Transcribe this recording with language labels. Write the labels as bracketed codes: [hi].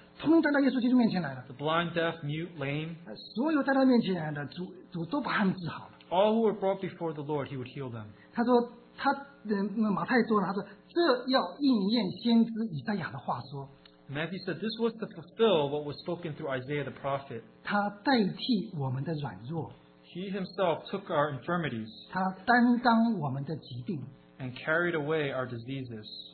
[zh] 瘸子啊，瞎子啊，瘫子啊，那个都通通带到耶稣基督面前来了。 [en] The blind, deaf, mute, lame. [zh] 所有带到面前来的，主都把他们治好了。 [en] All who were brought before the Lord, he would heal them. [zh] 他说，他马太说了，他说这要应验先知以赛亚的话说。 [en] Matthew said this was to fulfill what was spoken through Isaiah the prophet. [zh] 他代替我们的软弱。 [en] He himself took our infirmities. [zh] 他担当我们的疾病。 [en] And carried away our diseases.